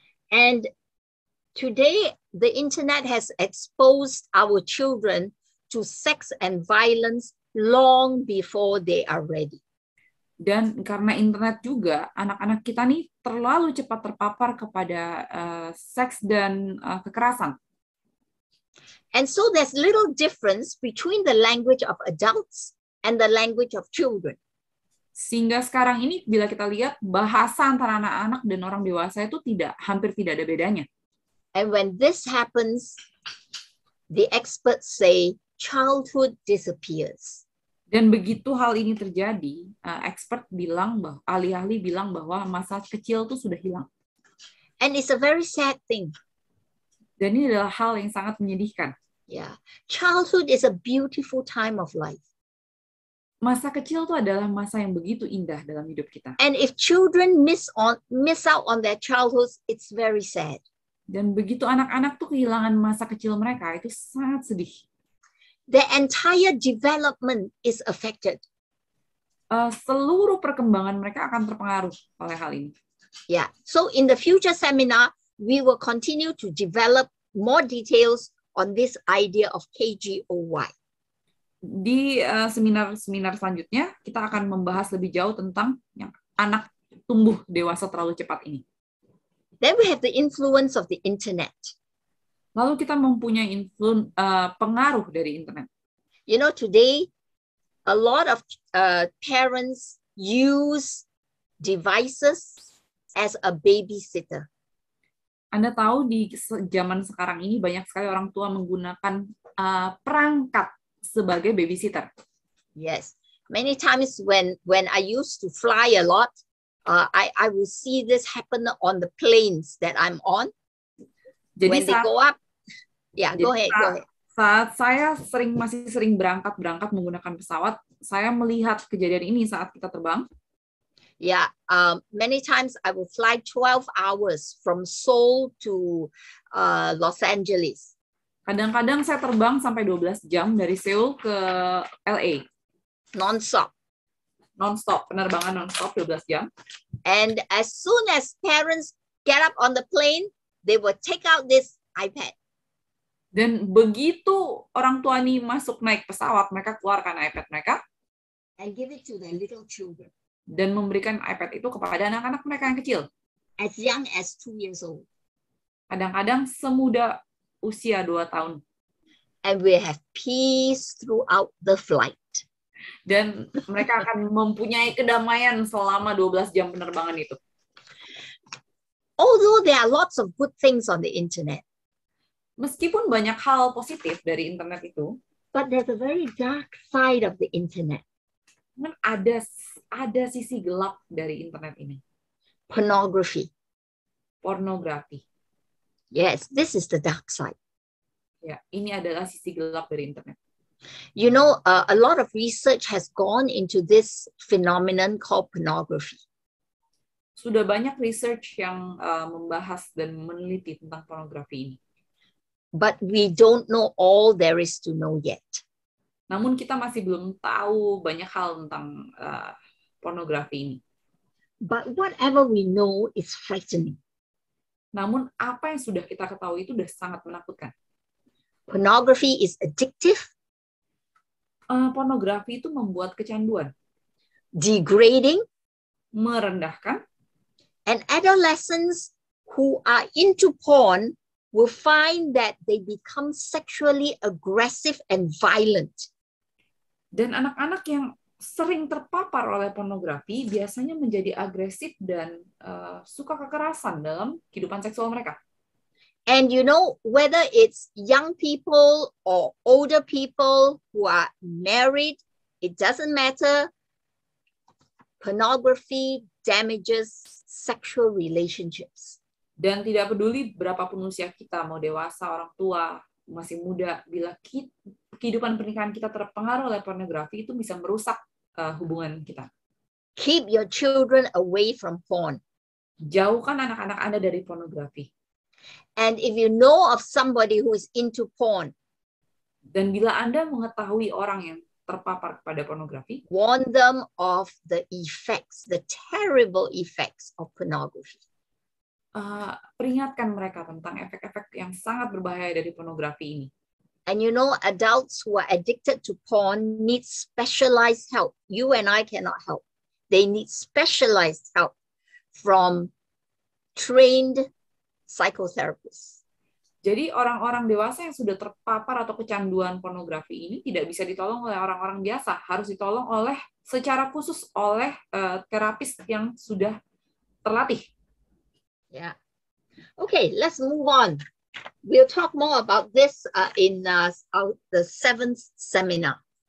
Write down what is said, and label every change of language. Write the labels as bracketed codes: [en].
[en] And today the internet has exposed our children to sex and violence long before they are ready. [id] Dan karena internet juga, anak-anak kita nih terlalu cepat terpapar kepada seks dan kekerasan. [en] And so there's little difference between the language of adults and the language of children. [id] Sehingga sekarang ini, bila kita lihat, bahasa antara anak-anak dan orang dewasa itu tidak, hampir tidak ada bedanya. [en] And when this happens, the experts say childhood disappears. [id] Dan begitu hal ini terjadi, expert bilang bahwa ahli-ahli bilang bahwa masa kecil itu sudah hilang. [en] And it's a very sad thing. [id] Dan ini adalah hal yang sangat menyedihkan. [en] Yeah. Childhood is a beautiful time of life. [id] Masa kecil itu adalah masa yang begitu indah dalam hidup kita. [en] And if children miss out on their childhood, it's very sad. [id] Dan begitu anak-anak tuh kehilangan masa kecil mereka, itu sangat sedih. [en] Their entire development is affected. [id] Seluruh perkembangan mereka akan terpengaruh oleh hal ini. [en] Yeah. So in the future seminar, we will continue to develop more details on this idea of KGOY. [id] Di seminar-seminar selanjutnya, kita akan membahas lebih jauh tentang yang anak tumbuh dewasa terlalu cepat ini. [en] Then we have the influence of the internet. [id] Lalu kita mempunyai pengaruh dari internet. [en] You know, today, a lot of parents use devices as a babysitter. [id] Anda tahu di zaman sekarang ini, banyak sekali orang tua menggunakan perangkat sebagai babysitter. [en] Yes. Many times when I used to fly a lot, I will see this happen on the planes that I'm on. [id] Jadi [en] when they go up, yeah, go ahead, [id] Saat saya masih sering berangkat menggunakan pesawat, saya melihat kejadian ini saat kita terbang. [en] Yeah, many times I will fly 12 hours from Seoul to Los Angeles. [id] Kadang-kadang saya terbang sampai 12 jam dari Seoul ke LA. [en] Non-stop, [id] penerbangan non-stop 12 jam. [en] And as soon as parents get up on the plane, they will take out this iPad. [id] Dan begitu orang tua ini masuk naik pesawat, mereka keluarkan iPad mereka. [en] And give it to their little children. [id] Dan memberikan iPad itu kepada anak-anak mereka yang kecil. [en] As young as 2 years old. [id] Kadang-kadang semuda usia 2 tahun. [en] And we have peace throughout the flight. [id] Dan mereka akan mempunyai kedamaian selama 12 jam penerbangan itu. [en] Although there are lots of good things on the internet. [id] Meskipun banyak hal positif dari internet itu, [en] but there's a very dark side of the internet. [id] Ada sisi gelap dari internet ini. [en] Pornography. [id] Pornografi. [en] Yes, this is the dark side. [id] Ya, ini adalah sisi gelap dari internet. [en] You know, a lot of research has gone into this phenomenon called pornography. [id] Sudah banyak research yang membahas dan meneliti tentang pornografi ini. [en] But we don't know all there is to know yet. [id] Namun kita masih belum tahu banyak hal tentang pornografi ini. [en] But whatever we know is frightening. [id] Namun apa yang sudah kita ketahui itu sudah sangat menakutkan. [en] Pornography is addictive. [id] Pornografi itu membuat kecanduan. [en] Degrading. [id] Merendahkan. [en] And adolescents who are into porn will find that they become sexually aggressive and violent. [id] Dan anak-anak yang sering terpapar oleh pornografi biasanya menjadi agresif dan suka kekerasan dalam kehidupan seksual mereka. [en] And you know, whether it's young people or older people who are married It doesn't matter. Pornography damages sexual relationships. [id] Dan tidak peduli berapapun usia kita, mau dewasa, orang tua, masih muda, bila kehidupan pernikahan kita terpengaruh oleh pornografi, itu bisa merusak hubungan kita. [en] Keep your children away from porn. [id] Jauhkan anak-anak Anda dari pornografi. [en] And if you know of somebody who is into porn, [id] dan bila Anda mengetahui orang yang terpapar kepada pornografi, [en] warn them of the effects, the terrible effects of pornography. [id] Peringatkan mereka tentang efek-efek yang sangat berbahaya dari pornografi ini. [en] And you know, adults who are addicted to porn need specialized help. You and I cannot help. They need specialized help from trained psychotherapists. [id] Jadi orang-orang dewasa yang sudah terpapar atau kecanduan pornografi ini tidak bisa ditolong oleh orang-orang biasa, harus ditolong oleh secara khusus oleh terapis yang sudah terlatih. [en] Ya. Yeah. Okay, let's move on. We'll talk more about this in the seventh seminar.